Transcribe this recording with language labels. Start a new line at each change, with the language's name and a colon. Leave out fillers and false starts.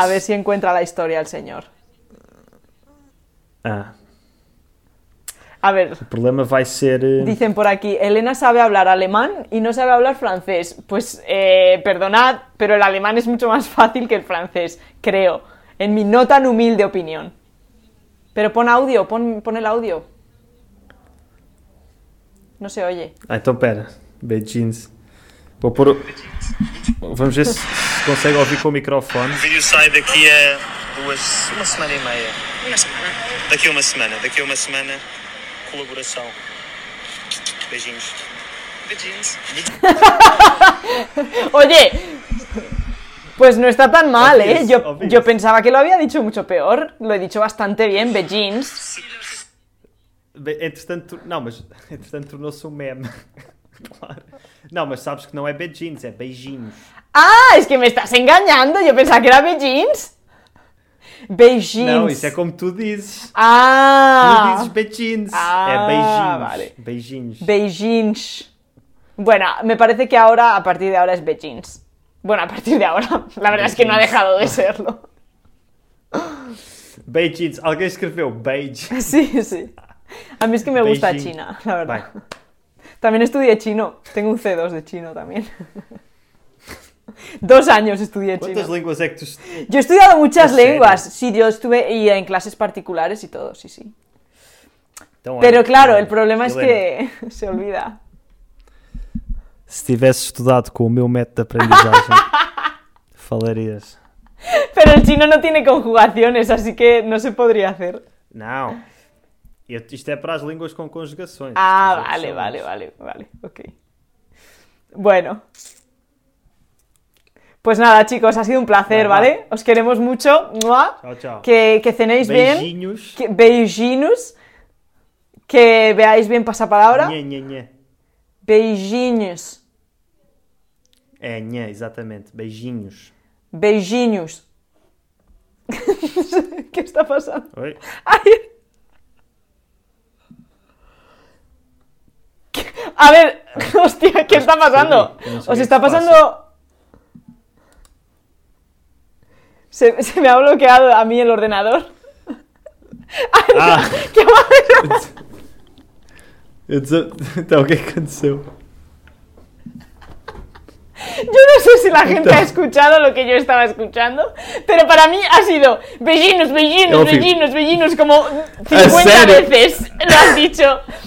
Portuguese: A ver se encontra a história ao senhor. Ah. A ver. O problema vai ser... Dizem por aqui, Elena sabe falar alemão e não sabe falar francês. Pois,
Spanish: perdonad,
Portuguese: mas o alemão é muito mais fácil que o francês, creio.
Spanish: En mi no tan humilde opinión. Pero pon el audio. No se oye.
Portuguese: Ah, então pera. Beijinhos. Vou pôr. Vamos ver se consegue ouvir com o microfone. O vídeo sai daqui a duas. Uma semana e meia. Uma semana. Daqui a uma semana. Daqui a uma semana. Colaboração. Beijinhos. Beijinhos.
Spanish: Oye! Pues no está tan mal, obvious, ¿eh? Yo pensaba que lo había dicho mucho peor. Lo he dicho bastante bien, Beijinhos.
Portuguese: Entretanto, tornou-se meme.
Spanish: Claro. No, mas sabes que no es Beijinhos, es Beijinhos. ¡Ah! Es que me estás engañando. Yo pensaba que era Beijinhos. Beijinhos. No, eso es como tú dices. ¡Ah! Tú dices Beijinhos. ¡Ah! Es Beijinhos. Vale. Beijinhos. Beijinhos. Bueno, me parece que ahora, a partir de ahora, es Beijinhos. Bueno, a partir de ahora, la verdad es que no ha dejado de serlo. Beijinhos. Alguien escribió Beijing. Sí. A mí es que me gusta Beijing. China, la verdad. Bye. También estudié chino. Tengo un C2 de chino también. 2 años estudié ¿Cuántas chino. ¿Cuántas lenguas es que tú Yo he estudiado muchas lenguas. Sí, yo estuve y en clases particulares y todo, sí. Pero claro, el problema es que se olvida.
Portuguese: Se tivesse estudado com o meu método de aprendizagem, falarias.
Spanish: Pero el chino no tiene conjugaciones, así que no se podría hacer.
Portuguese: Não. Isto é para as línguas com conjugações.
Spanish: Ah, vale. Ok. Bueno. Pues nada, chicos, ha sido un placer, ¿vale? Os queremos mucho. Mua. Chao. Que cenéis bien. Beijinhos. Beijinhos. Que veáis bien pasapalabra. Nye. Beijinhos.
Portuguese: Nha, exatamente. Beijinhos. Beijinhos. O que está passando? Oi? Ai.
Spanish: A ver, hostia,
Portuguese: o que está passando?
Spanish: Os está passando... Se me ha bloqueado a mí el ordenador. Ay, ah. Que
Portuguese: então, o que aconteceu?
Spanish: Yo no sé si la gente ha escuchado lo que yo estaba escuchando, pero para mí ha sido vellinos, vellinos, vellinos, vellinos, como 50 veces lo has dicho.